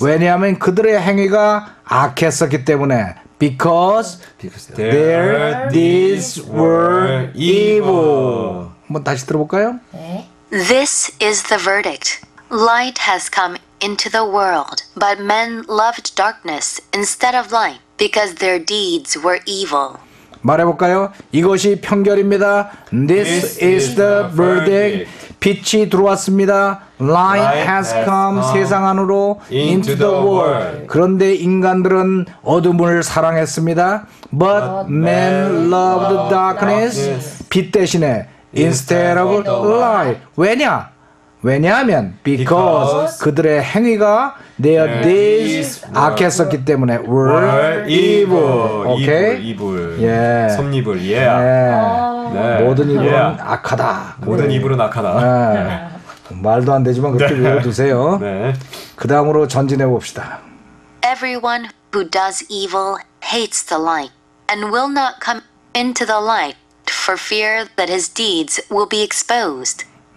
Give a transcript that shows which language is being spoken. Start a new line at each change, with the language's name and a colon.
Korean: 왜냐하면 그들의 행위가 악했었기 때문에.
English: Because their deeds were evil.
Korean: 한번 다시 들어볼까요?
English: This is the verdict. Light has come into the world, but men loved darkness instead of light because their deeds were evil.
Korean: 말해볼까요? 이것이 평결입니다.
English: This is the verdict.
Korean: 빛이 들어왔습니다.
English: Light has come
Korean: 세상 안으로
English: into the world.
Korean: 그런데 인간들은 어둠을 사랑했습니다.
English: But men loved darkness.
Korean: 빛 대신에
English: instead of light.
Korean: 왜냐? 왜냐하면
English: because
Korean: 그들의 행위가
English: their deeds
Korean: 악했었기 때문에
English: were evil. Okay?
Korean: 이불. 예. 섭리불. 예. 네. 네. 모든 이불은 악하다. 모든 이불은 악하다. 네. 말도 안 되지만 그렇게 읽어두세요. 네. 그 다음으로 전진해 봅시다.
English: Everyone who does evil hates the light and will not come into the light for fear that his deeds will be exposed.